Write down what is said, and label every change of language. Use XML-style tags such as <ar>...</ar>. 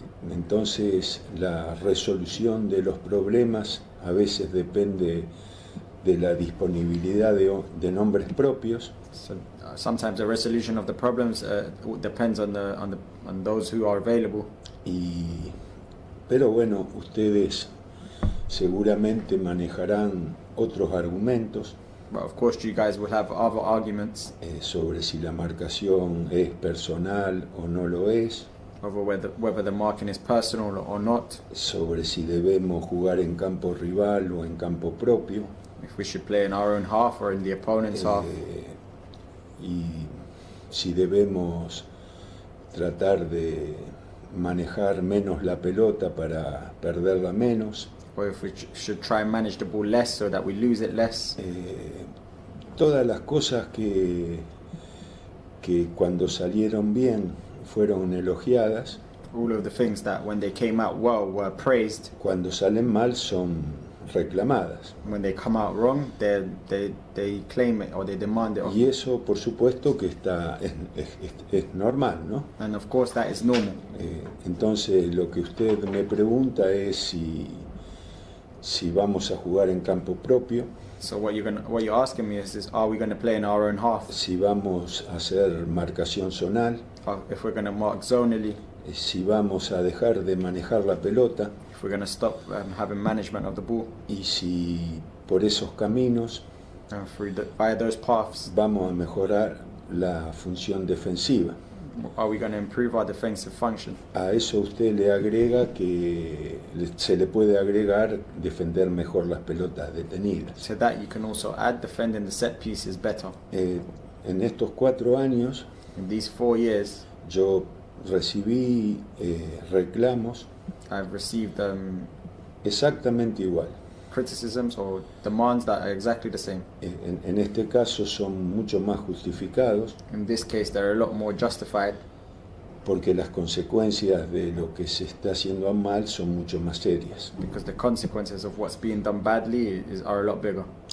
<es>Entonces, la resolución de los problemas a veces depende de la disponibilidad de nombres propios.</es> <en>So, sometimes the resolution of the problems depends on those who are available.</en> <es>Y, pero bueno, ustedes seguramente manejarán otros argumentos.</es> <en>But of course, you guys will have other arguments.</en> <es>Sobre si la marcación es personal o no lo es.</es> <en>Over whether the marking is personal or not.</en> <es>Sobre si debemos jugar en campo rival o en campo propio.</es> <en>If we should play in our own half or in the opponent's half.</en> <es>Y si debemos tratar de manejar menos la pelota para perderla menos.</es> <en>Or if we should try and manage the ball less so that we lose it less.</en> <es>Todas las cosas que cuando salieron bien fueron elogiadas.</es> <en>All of the things that when they came out well were praised.</en> <es>Cuando salen mal son reclamadas.</es> <en>When they come out wrong, they claim it or they demand it.</en> <es>Y eso, por supuesto, que está es normal, ¿no?</es> <en>And of course that is normal.</en> <es>Entonces, lo que usted me pregunta es si vamos a jugar en campo propio.</es> <en>So what you're asking me is are we going to play in our own half?</en> <es>Si vamos a hacer marcación zonal.</es> <en>If we're going to mark zonally.</en> <es>Si vamos a dejar de manejar la pelota.</es> <en>If we're going to stop having management of the ball.</en> <es>Y si por esos caminos.</es> <en>And via those paths.</en> <es>Vamos a mejorar la función defensiva.</es> <en>Are we going to improve our defensive function?</en> <es>A eso usted le agrega que se le puede agregar defender mejor las pelotas detenidas.</es> <en>So that you can also add defending the set pieces better.</en> <es>En estos 4 años.</es> <en>In these 4 years.</en> <es>Yo recibí reclamos.</es> <en>I've received</en> <es>exactamente igual.</es> <en>Criticisms or demands that are exactly the same.</en> <es>En este caso son mucho más justificados.</es> <en>In this case they're a lot more justified.</en> <es>Porque las consecuencias de lo que se está haciendo mal son mucho más serias.</es> <en>Because the consequences of what's being done badly are a lot bigger.</en>